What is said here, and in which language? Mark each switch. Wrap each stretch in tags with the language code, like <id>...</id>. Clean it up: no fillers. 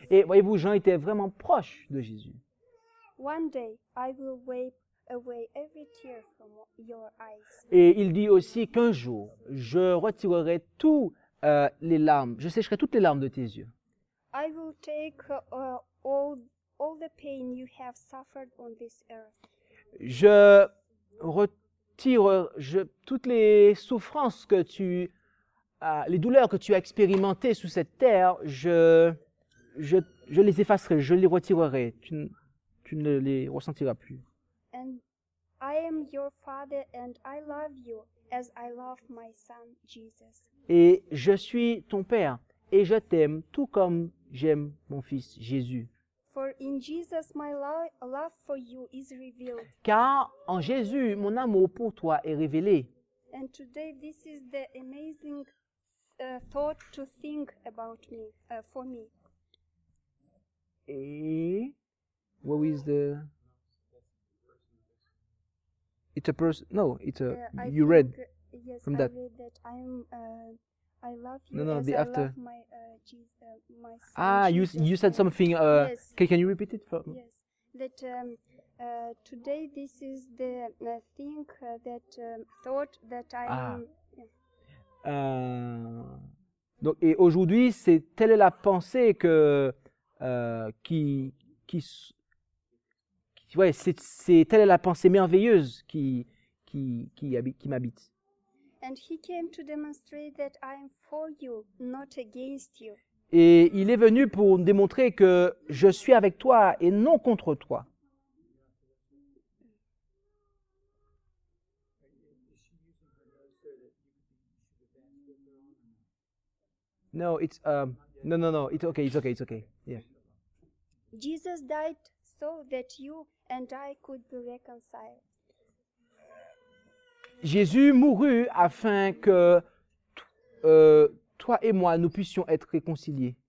<fr>Et voyez-vous, Jean était vraiment proche de Jésus.</fr> <en>One day, I will wipe away every tear from your eyes.</en> <fr>Et il dit aussi qu'un jour, je retirerai tout, les larmes, je sécherai toutes les larmes de tes yeux.</fr> <en>I will take all the pain you have suffered on this earth.</en> <fr>Je retire toutes les souffrances que tu les douleurs que tu as expérimentées sous cette terre, je les effacerai, je les retirerai. Tu ne les ressentiras plus.</fr> <en>And I am your father and I love you as I love my son Jesus.</en> <fr>Et je suis ton père et je t'aime tout comme j'aime mon fils Jésus.</fr> <en>For in Jesus my love for you is revealed.</en> <fr>Car en Jésus mon amour pour toi est révélé.</fr> <en>And today this is the amazing thought to think about me for me. And what is the? It's a person. No, it's a. You think, read yes, from I that. I read that I'm. I love you. No, the after. I love my Jesus, my son. Ah, Jesus. you said something. Yes. Can you repeat it for me? Yes. That today this is the thing that thought that I am.</en> <fr>Donc, et aujourd'hui, c'est telle est la pensée que qui ouais, c'est telle est la pensée merveilleuse qui m'habite.</fr> <en>And he came to demonstrate that I am for you, not against you.</en> <fr>Et il est venu pour démontrer que je suis avec toi et non contre toi.</fr> <en>No, it's no. It's okay. Yeah. Jesus died so that you and I could be reconciled.</en> <fr>Jésus mourut afin que toi et moi nous puissions être réconciliés.</fr>